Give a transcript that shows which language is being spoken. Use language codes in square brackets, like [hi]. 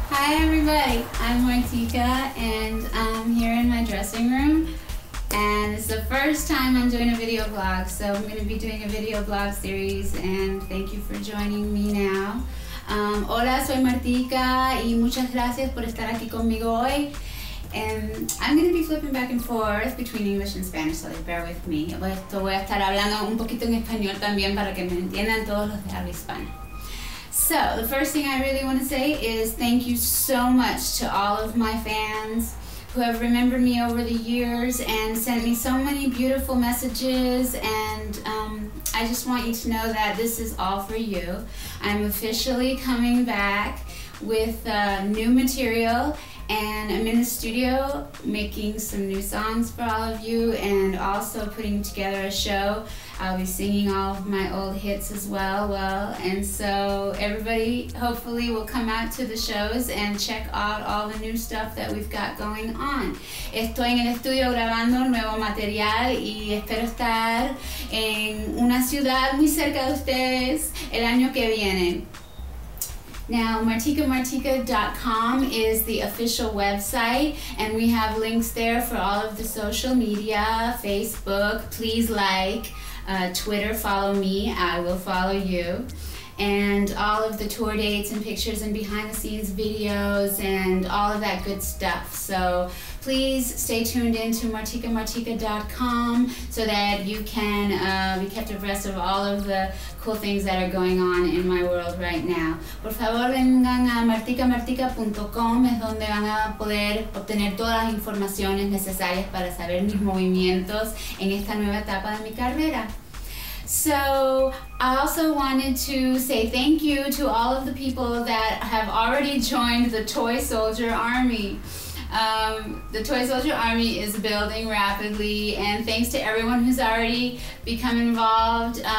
[en] everybody, I'm Martika and I'm here in my dressing room and it's the first time I'm doing a video vlog, so I'm going to be doing a video vlog series and thank you for joining me now. [es] Hola, soy Martika y muchas gracias por estar aquí conmigo hoy. [en] And I'm going to be flipping back and forth between English and Spanish, so bear with me. [es] Voy a estar hablando un poquito en español también para que me entiendan todos los de habla hispana. [en] So, the first thing I really want to say is thank you so much to all of my fans who have remembered me over the years and sent me so many beautiful messages, and I just want you to know that this is all for you. I'm officially coming back with new material, and I'm in the studio making some new songs for all of you and also putting together a show. I'll be singing all of my old hits as well. And so everybody hopefully will come out to the shows and check out all the new stuff that we've got going on. [es] Estoy en el estudio grabando nuevo material y espero estar en una ciudad muy cerca de ustedes el año que viene. [en] Now, MartikaMartika.com is the official website, and we have links there for all of the social media, Facebook, please like, Twitter, follow me, I will follow you, and all of the tour dates and pictures and behind the scenes videos and all of that good stuff. So please stay tuned in to MartikaMartika.com so that you can be kept abreast of all of the cool things that are going on in my world right now. [es] Por favor, vengan a MartikaMartika.com, es donde van a poder obtener todas las informaciones necesarias para saber mis movimientos en esta nueva etapa de mi carrera. [en] So, I also wanted to say thank you to all of the people that have already joined the Toy Soldier Army. The Toy Soldier Army is building rapidly, and thanks to everyone who's already become involved.